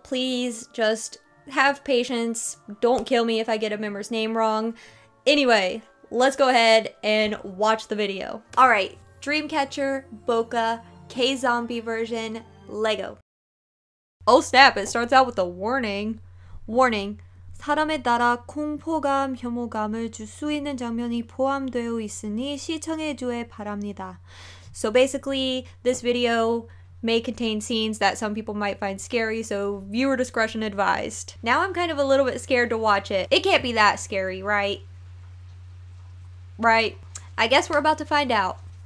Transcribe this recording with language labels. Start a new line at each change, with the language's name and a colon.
English: Please just have patience. Don't kill me if I get a member's name wrong. Anyway, let's go ahead and watch the video. All right, Dreamcatcher, BOCA, K-Zombie version, Lego. Oh snap, it starts out with a warning. Warning.
Korean: 사람에 따라 공포감, 혐오감을 줄 수 있는 장면이 포함되어 있으니 시청해주에 바랍니다.
English: So basically, this video may contain scenes that some people might find scary, so viewer discretion advised. Now I'm kind of a little bit scared to watch it. It can't be that scary, right? Right. I guess we're about to find out.